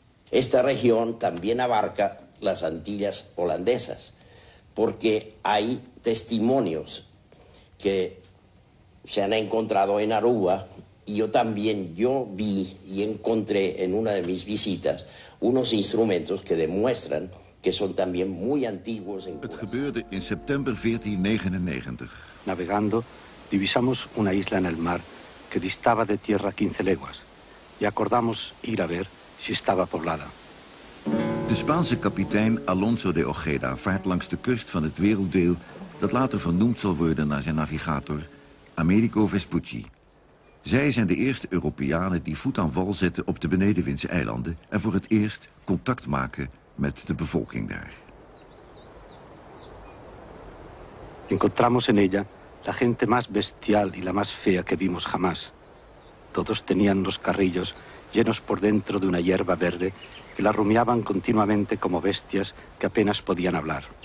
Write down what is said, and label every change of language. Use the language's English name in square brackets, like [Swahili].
[Spanish] Esta región también abarca las Antillas holandesas porque hay testimonios que se han encontrado en Aruba y yo vi y encontré en una de mis visitas unos instrumentos que demuestran que son también muy antiguos. [Dutch] Het gebeurde in september 1499. [Spanish] Navegando, divisamos una isla en el mar que distaba de tierra 15 leguas y acordamos ir a ver si estaba poblada. [Dutch] De Spaanse kapitein Alonso de Ojeda vaart langs de kust van het werelddeel dat later vernoemd zal worden naar zijn navigator Amerigo Vespucci. Zij zijn de eerste Europeanen die voet aan wal zetten op de Benedenwindse eilanden en voor het eerst contact maken met de bevolking daar. [Spanish] Encontramos en ella la gente más bestial y la más fea que vimos jamás. Todos tenían los carrillos llenos por dentro de una hierba verde que la rumiaban continuamente como bestias que apenas podían hablar.